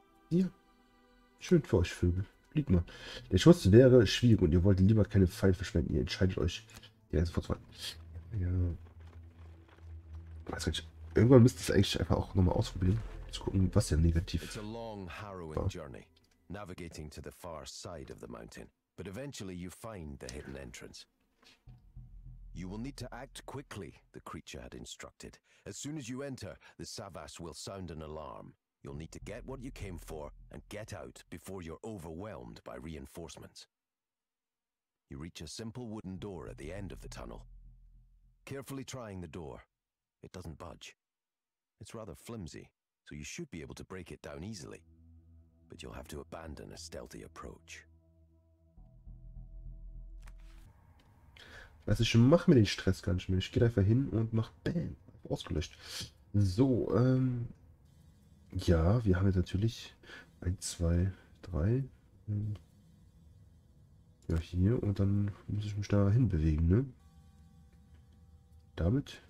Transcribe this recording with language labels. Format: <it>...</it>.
<de>Hier. Schön für euch, Vögel. Fliegt mal. Der Schuss wäre schwierig und ihr wollt lieber keine Pfeile verschwenden. Ihr entscheidet euch, die ganze Vorzweige. Ja. Weiß nicht. Irgendwann müsst ihr es eigentlich einfach auch nochmal ausprobieren. Zu gucken, was ja negativ ist. Es ist eine lange,</de> <en>harrowing Journey. Navigating to the far side of the mountain. But eventually you find the hidden entrance. You will need to act quickly, the creature had instructed. As soon as you enter, the Savas will sound an alarm. You'll need to get what you came for and get out before you're overwhelmed by reinforcements. You reach a simple wooden door at the end of the tunnel. Carefully trying the door, it doesn't budge. It's rather flimsy, so you should be able to break it down easily. But you'll have to abandon a stealthy approach.</en> <de>Also ich mach mir den Stress gar nicht mehr. Ich gehe einfach hin und mach BÄM. Ausgelöscht. So, ja, wir haben jetzt natürlich 1, 2, 3. Ja, hier. Und dann muss ich mich da hinbewegen, ne? Damit?</de>